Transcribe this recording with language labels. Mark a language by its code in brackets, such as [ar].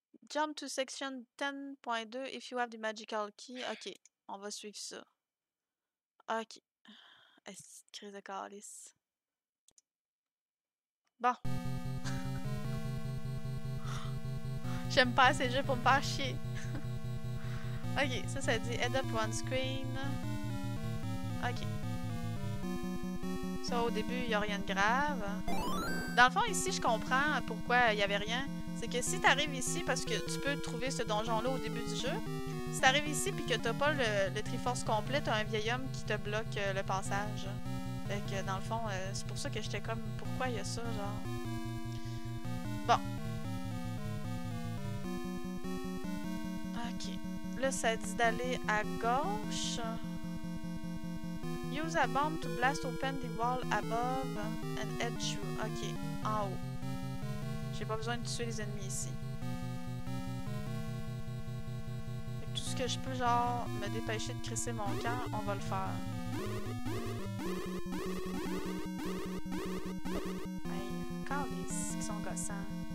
[en] Jump to section 10.2 if you have the magical key. [fr] Ok, on va suivre ça. Ok. Est-ce une crise de calice? Bon. J'aime pas ces jeux pour me faire chier. Ok, ça dit [en] head up one screen. [fr] Ok. Ça, au début, il y a rien de grave. Dans le fond, ici, je comprends pourquoi il y avait rien. C'est que si t'arrives ici, parce que tu peux trouver ce donjon-là au début du jeu, si t'arrives ici puis que t'as pas le Triforce complet, t'as un vieil homme qui te bloque le passage. Fait que, dans le fond, c'est pour ça que j'étais comme, pourquoi il y a ça, genre? Bon. Ok. Là, ça dit d'aller à gauche. [en] Use a bomb to blast open the wall above and head through. [fr] Ok, en haut. J'ai pas besoin de tuer les ennemis ici. Fait que tout ce que je peux, genre, me dépêcher de crisser mon camp, on va le faire. Hey, encore ici, qui sont gossants.